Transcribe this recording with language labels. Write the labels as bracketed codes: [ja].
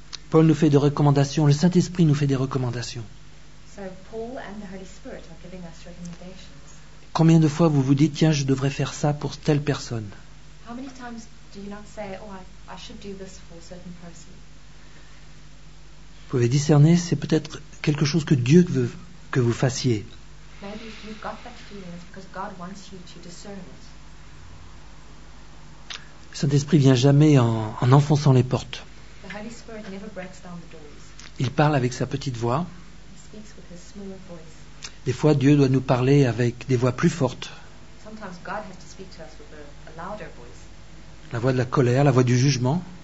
[fr] Paul nous fait des recommandations, le Saint-Esprit nous fait des recommandations. [en] So Paul and the Holy Spirit are giving us recommendations. [fr] Combien de fois vous vous dites, tiens, je devrais faire ça pour telle personne? [en] How many times do you not say, oh, I should do this for a certain person? [fr] Vous pouvez discerner, c'est peut-être quelque chose que Dieu veut que vous fassiez. [en] Maybe if you've got that feeling, it's because God wants you to discern it. [fr] Le Saint-Esprit vient jamais en enfonçant les portes. [en] The Holy Spirit never breaks down the doors. [fr] Il parle avec sa petite voix. [en] With his small voice. [fr] Des fois, Dieu doit nous parler avec des voix plus fortes. [en] Sometimes God has to speak to us with a louder voice. [fr] La voix de la colère, la voix du jugement.